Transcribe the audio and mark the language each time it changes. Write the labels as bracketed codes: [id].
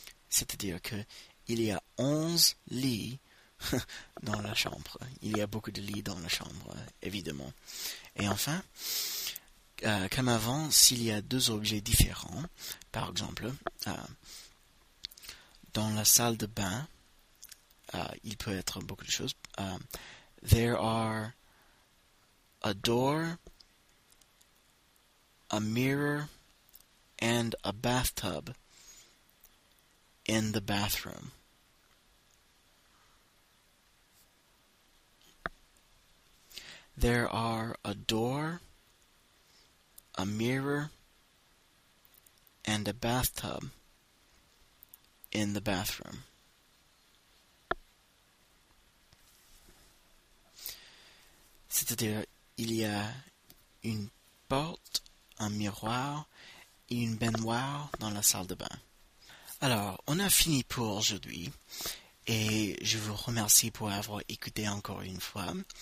[fr] C'est-à-dire qu'il y a 11 lits dans la chambre. Il y a beaucoup de lits dans la chambre, évidemment. Et enfin, comme avant, s'il y a deux objets différents, par exemple, dans la salle de bain, il peut être beaucoup de choses. [en] There are a door, a mirror, and a bathtub in the bathroom. There are a door, a mirror, and a bathtub in the bathroom. [fr] C'est-à-dire, il y a une porte, un miroir et une baignoire dans la salle de bain. Alors, on a fini pour aujourd'hui et je vous remercie pour avoir écouté encore une fois.